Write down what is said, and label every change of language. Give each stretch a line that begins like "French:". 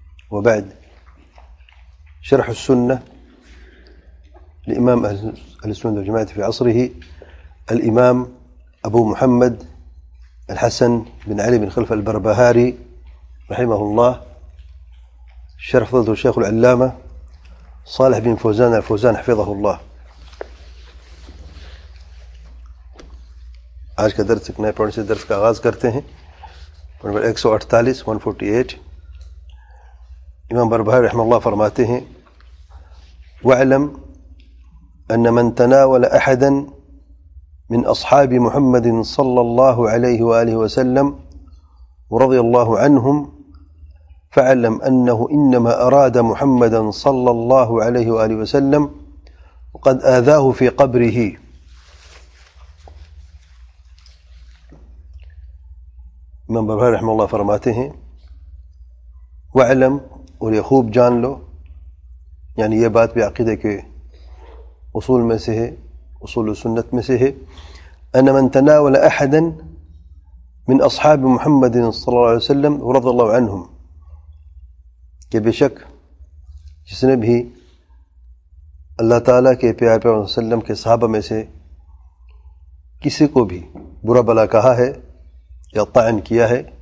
Arabic: وبعد، شرح السنة لإمام أهل السنة والجماعة في عصره الإمام أبو محمد الحسن بن علي بن خلف البربهاري رحمه الله، شرح فضيلة الشيخ العلامة صالح بن فوزان الفوزان حفظه الله.
Urdu: آج کا درس ایک نئے پوائنٹ سے درس کا آغاز کرتے ہیں، پوائنٹ نمبر 148.
Arabic: امام بربهاري رحمه الله
Urdu: فرماتے ہیں:
Arabic: واعلم ان من تناول احدا من اصحاب محمد صلى الله عليه واله وسلم ورضي الله عنهم فعلم أنه إنما أراد محمدا صلى الله عليه وآله وسلم وقد آذاه في قبره.
Urdu: امام بربهاري رحمه الله فرماتے ہیں: وعلم، اور یہ خوب جان لو، یعنی یہ بات بھی عقیدہ کے اصول میں سے ہے، اصول سنت میں سے ہے.
Arabic: أن من تناول أحدا من أصحاب محمد صلى الله عليه وسلم ورضي الله عنهم،
Urdu: کہ بے شک جس نے بھی اللہ تعالیٰ کے پیارے پیغمبر صلی اللہ علیہ وسلم کے صحابہ میں سے کسی کو بھی برا بلا کہا ہے یا طعن کیا ہے،